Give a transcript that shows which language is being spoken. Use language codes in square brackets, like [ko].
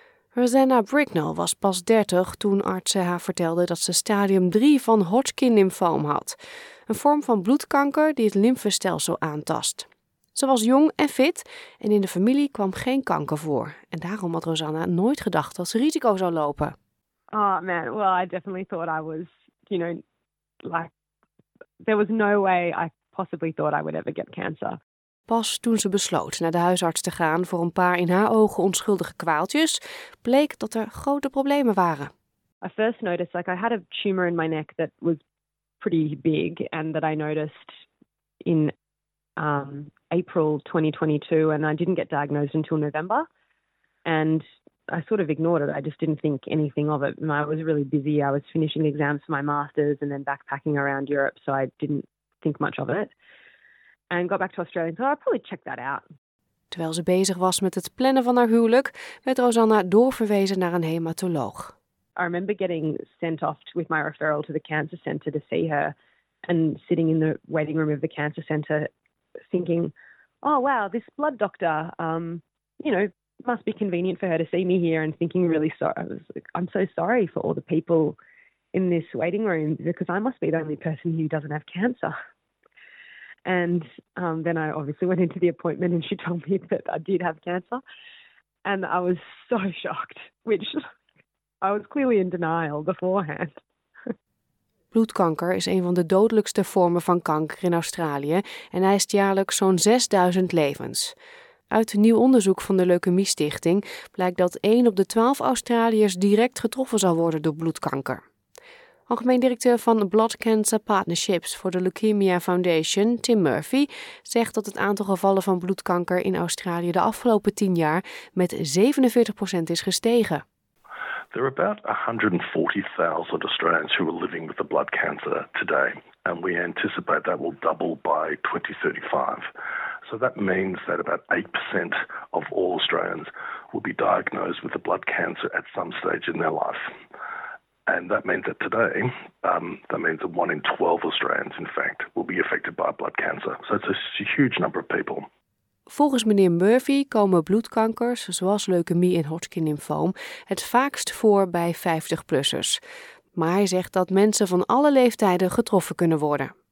[nl] Rosanna Bricknell was pas 30 toen artsen haar vertelden dat ze stadium 3 van Hodgkin-lymfoom had, een vorm van bloedkanker die het lymfestelsel aantast. Ze was jong en fit en in de familie kwam geen kanker voor. En daarom had Rosanna nooit gedacht dat ze risico zou lopen. [en] Oh man, well I definitely thought I was, you know, like, there was no way I possibly thought I would ever get cancer. [nl] Pas toen ze besloot naar de huisarts te gaan voor een paar in haar ogen onschuldige kwaaltjes, bleek dat er grote problemen waren. [en] I first noticed, like, I had a tumor in my neck that was pretty big and that I noticed in April 2022 and I didn't get diagnosed until November and I sort of ignored it. I just didn't think anything of it. I was really busy. I was finishing the exams for my master's and then backpacking around Europe, so I didn't think much of it. And got back to Australia and thought I'd probably check that out. [nl] Terwijl ze bezig was met het plannen van haar huwelijk, werd Rosanna doorverwezen naar een hematoloog. [en] I remember getting sent off with my referral to the cancer center to see her and sitting in the waiting room of the cancer center thinking, oh wow, this blood doctor, you know, must be convenient for her to see me here, and thinking really sorry. I was like, I'm so sorry for all the people in this waiting room because I must be the only person who doesn't have cancer. And then I obviously went into the appointment and she told me that I did have cancer. And I was so shocked, which I was clearly in denial beforehand. [nl] Bloedkanker is een van de dodelijkste vormen van kanker in Australië en eist jaarlijks zo'n 6000 levens. Uit nieuw onderzoek van de Leukemie Stichting blijkt dat 1 op de 12 Australiërs direct getroffen zal worden door bloedkanker. Algemeen directeur van Blood Cancer Partnerships voor de Leukemia Foundation, Tim Murphy, zegt dat het aantal gevallen van bloedkanker in Australië de afgelopen 10 jaar met 47% is gestegen. [en] There are about 140,000 Australians who are living with a blood cancer today, and we anticipate that will double by 2035. So that means that about 8% of all Australians will be diagnosed with a blood cancer at some stage in their life. And that means that today, that means that one in 12 Australians, in fact, will be affected by blood cancer. So it's a huge number of people. [nl] Volgens meneer Murphy komen bloedkankers, zoals leukemie en Hodgkin-lymfoom, het vaakst voor bij 50-plussers. Maar hij zegt dat mensen van alle leeftijden getroffen kunnen worden.